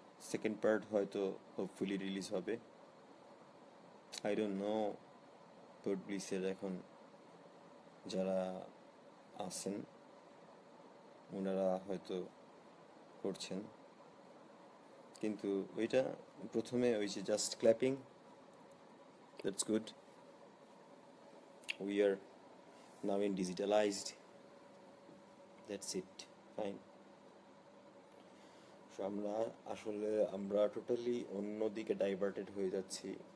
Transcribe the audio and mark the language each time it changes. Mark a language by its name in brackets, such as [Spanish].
[Bangla] Second part হয়তো hopefully release হবে, [English] I don't know [Bangla] port ব্রিজের এখন যারা আছেন ওনারা হয়তো করছেন, কিন্তু ওইটা প্রথমে ওই যে just clapping [English] That's good. We are now in digitalized. That's it. Fine. [Bangla] আমরা আসলে আমরা টোটালি অন্যদিকে ডাইভার্টেড হয়ে যাচ্ছি।